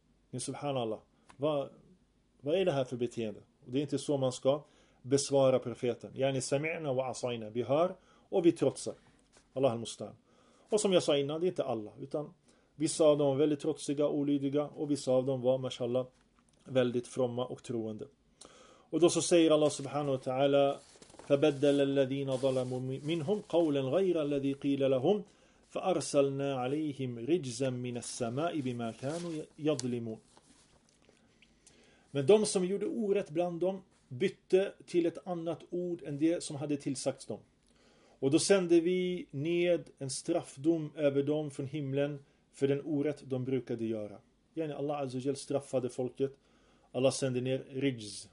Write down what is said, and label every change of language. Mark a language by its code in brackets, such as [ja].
[sv] Men subhanallah, vad är det här för beteende? Och det är inte så man ska besvara profeten. Yani, [ar] sami'na wa asayna, [sv] vi hör och vi trotsar. Allah al-musta'an. Och som jag sa innan, det är inte alla, utan vissa av dem var väldigt trotsiga, olydiga och vissa av dem var, mashallah, väldigt fromma och troende. Och då så säger [ar] Allah subhanahu wa ta'ala فَبَدَّلَ الَّذِينَ ظَلَمُوا مِنْهُمْ قَوْلًا غَيْرَ الَّذِي قِيلَ لَهُمْ فَأَرْسَلْنَا عَلَيْهِمْ رِجْزًا مِنَ السَّمَاءِ بِمَا كَانُوا يَظْلِمُونَ [sv] Men de som gjorde orätt bland dem bytte till ett annat ord än det som hade tillsagts dem. Och då sände vi ned en straffdom över dem från himlen för den orätt de brukade göra. Allah azza wa jalla straffade folket. Allah sände ner rijz.